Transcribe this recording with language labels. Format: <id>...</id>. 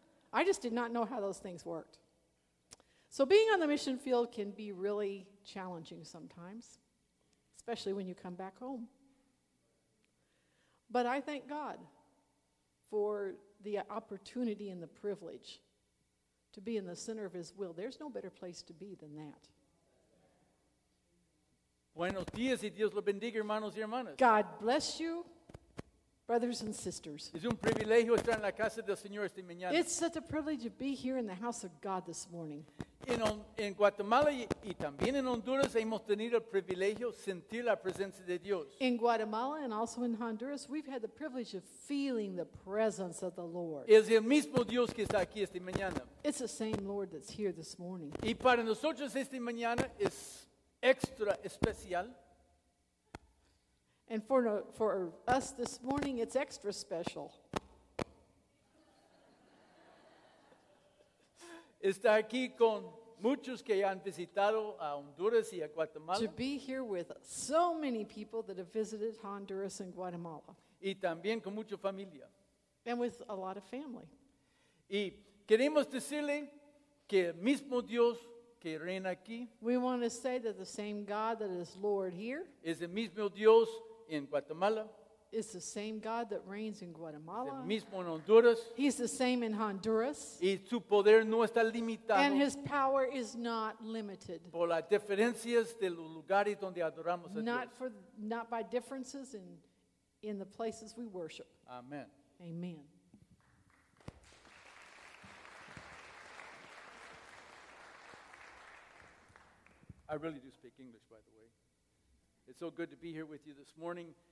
<en>I just did not know how those things worked. So being on the mission field can be really challenging sometimes, especially when you come back home. But I thank God for the opportunity and the privilege to be in the center of His will. There's no better place to be than that.</en> <es>Buenos días y Dios lo bendiga, hermanos y hermanas.</es> <en>God bless you, brothers and sisters.</en> <es>Es un privilegio estar en la casa del Señor esta mañana.</es> <en>It's such a privilege to be here in the house of God this morning.</en> <es>En Guatemala y también en Honduras hemos tenido el privilegio sentir la presencia de Dios.</es> <en>In Guatemala and also in Honduras, we've had the privilege of feeling the presence of the Lord.</en> <es>Es el mismo Dios que está aquí esta mañana.</es> <en>It's the same Lord that's here this morning.</en> <es>Y para nosotros esta mañana es extra especial.</es> <en>And for us this morning, it's extra special.</en> <es>Estar aquí con muchos que han visitado a Honduras y a Guatemala.</es> <en>To be here with so many people that have visited Honduras and Guatemala.</en> <es>y también con mucha familia.</es> <en>And with a lot of family.</en> <es>Y queremos decirle que el mismo Dios que reina aquí.</es> <en>We want to say that the same God that is Lord here.</en> <es>Es el mismo Dios en Guatemala.</es> <en>It's the same God that reigns in Guatemala.</en> <es>El mismo en Honduras.</es> <en>He's the same in Honduras.</en> <es>Y su poder no está limitado.</es> <en>And his power is not limited.</en> <es>Por las diferencias de los lugares donde adoramos a Dios.</es> <en>Not by differences in the places we worship.</en> <es>Amen.</es> <en>Amen. I really do speak English, by the way. It's so good to be here with you this morning.</en>